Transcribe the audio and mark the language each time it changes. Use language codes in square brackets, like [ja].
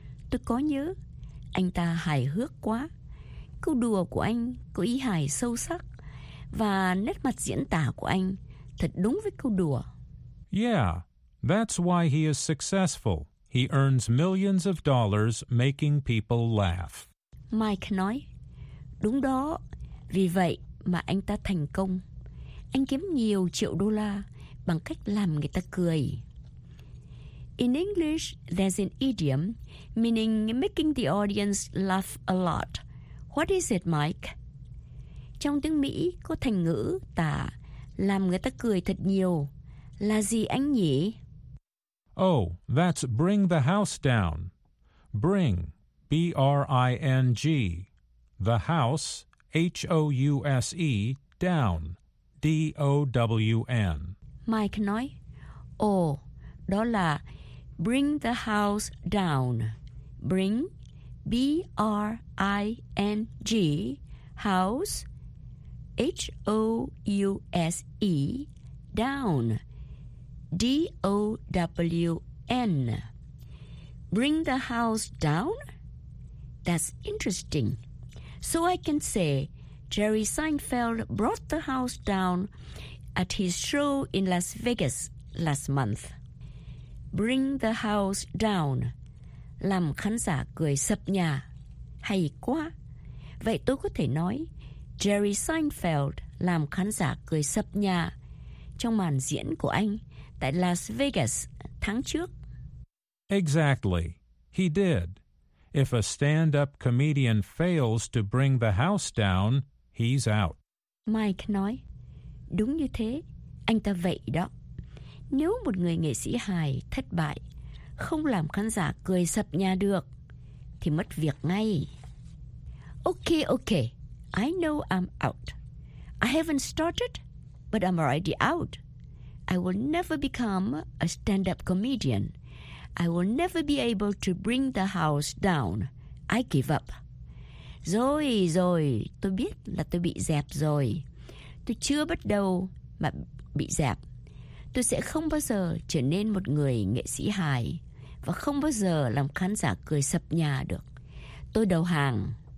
[vi] Tôi có nhớ, anh ta hài hước quá. Câu đùa của anh có ý hài sâu sắc, và nét mặt diễn tả của anh thật đúng với câu đùa. [en] Yeah, that's why he is successful. He earns millions of dollars making people laugh. [vi] Mike nói, đúng đó, vì vậy mà anh ta thành công. Anh kiếm nhiều triệu đô la bằng cách làm người ta cười. [en] In English, there's an idiom meaning making the audience laugh a lot. What is it, Mike? [vi] Trong tiếng Mỹ có thành ngữ tả làm người ta cười thật nhiều. Là gì anh nhỉ? [en] Oh, that's bring the house down. Bring, B-R-I-N-G. The house, H-O-U-S-E, down, D-O-W-N. Mike [vi] nói, oh, đó là [en] bring the house down. Bring, B-R-I-N-G, house, H-O-U-S-E, down, D-O-W-N. Bring the house down? That's interesting. So I can say, Jerry Seinfeld brought the house down at his show in Las Vegas last month. Bring the house down. [vi] Làm khán giả cười sập nhà. Hay quá. Vậy tôi có thể nói, Jerry Seinfeld làm khán giả cười sập nhà trong màn diễn của anh tại Las Vegas tháng trước. [en] Exactly. He did. If a stand-up comedian fails to bring the house down, he's out. [vi] Mike nói, đúng như thế, anh ta vậy đó. Nếu một người nghệ sĩ hài thất bại, không làm khán giả cười sập nhà được, thì mất việc ngay. [en] Okay, okay, I know I'm out. I haven't started, but I'm already out. I will never become a stand-up comedian. I will never be able to bring the house down. I give up. [vi] Rồi, rồi, tôi biết là tôi bị dẹp rồi. Tôi chưa bắt đầu mà bị dẹp. Tôi sẽ không bao giờ trở nên một người nghệ sĩ hài và không bao giờ làm khán giả cười sập nhà được. Tôi đầu hàng.